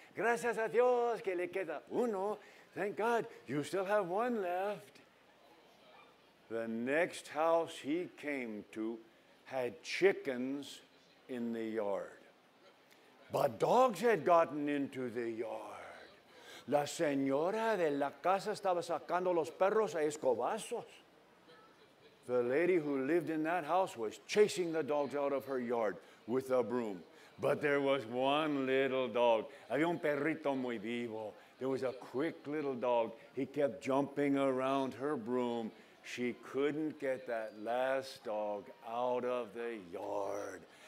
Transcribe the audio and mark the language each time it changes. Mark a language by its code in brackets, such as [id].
[es] Gracias a Dios que le queda uno. [en] Thank God you still have one left. The next house he came to had chickens in the yard. But dogs had gotten into the yard. [es] La señora de la casa estaba sacando los perros a escobazos. [en] The lady who lived in that house was chasing the dogs out of her yard with a broom. But there was one little dog. [es] Había un perrito muy vivo. [en] There was a quick little dog. He kept jumping around her broom. She couldn't get that last dog out of the yard.